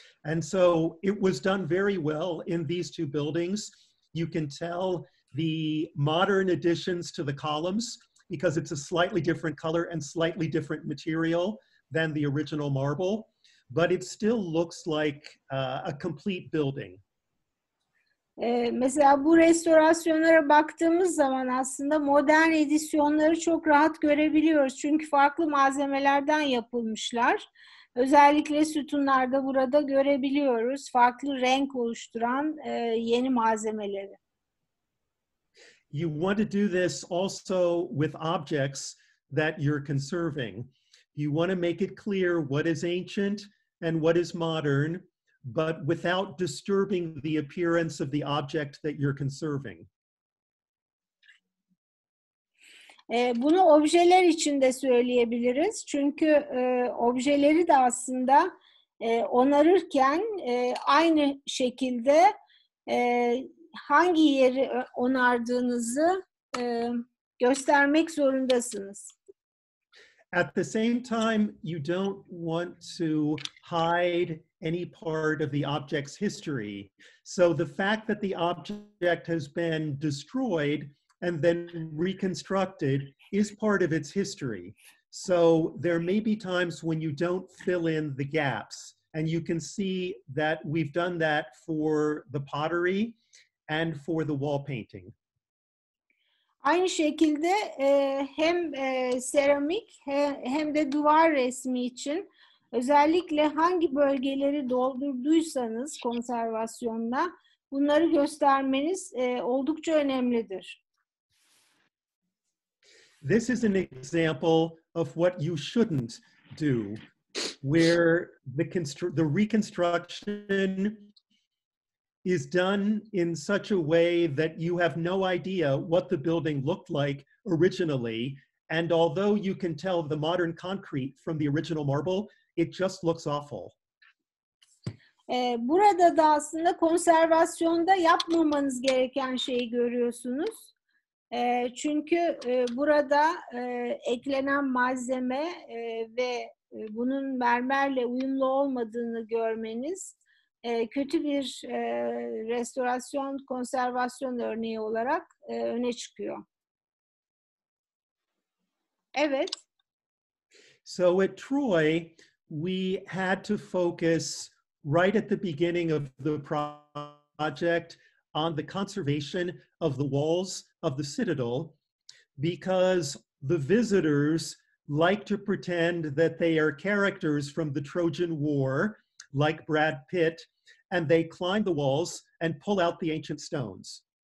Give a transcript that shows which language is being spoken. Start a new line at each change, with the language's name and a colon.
English: And so it was done very well in these two buildings. You can tell the modern additions to the columns because it's a slightly different color and slightly different material than the original marble, but it still looks like a complete building.
Turkish: Mesela bu restorasyonlara baktığımız zaman aslında modern edisyonları çok rahat görebiliyoruz. Çünkü farklı malzemelerden yapılmışlar. Özellikle sütunlarda burada görebiliyoruz farklı renk oluşturan yeni malzemeleri.
English: You want to do this also with objects that you're conserving. You want to make it clear what is ancient and what is modern, but without disturbing the appearance of the object that you're conserving.
Turkish: Bunu objeler için de söyleyebiliriz. Çünkü objeleri de aslında onarırken aynı şekilde hangi yeri onardığınızı göstermek zorundasınız.
English: At the same time, you don't want to hide any part of the object's history. So the fact that the object has been destroyed and then reconstructed is part of its history. So there may be times when you don't fill in the gaps, and you can see that we've done that for the pottery and for the wall painting.
Turkish: Aynı şekilde hem seramik hem de duvar resmi için özellikle hangi bölgeleri doldurduysanız konservasyonda bunları göstermeniz oldukça önemlidir.
English: This is an example of what you shouldn't do, where the reconstruction is done in such a way that you have no idea what the building looked like originally. And although you can tell the modern concrete from the original marble, it just looks awful.
Turkish: Burada da aslında konservasyonda yapmamanız gereken şeyi görüyorsunuz. Çünkü burada eklenen malzeme ve bunun mermerle uyumlu olmadığını görmeniz kötü bir restorasyon, konservasyon örneği olarak öne çıkıyor. Evet.
English: So at Troy, we had to focus right at the beginning of the project on the conservation of the walls of the citadel, because the visitors like to pretend that they are characters from the Trojan War, like Brad Pitt, and they climb the walls and pull out the ancient stones.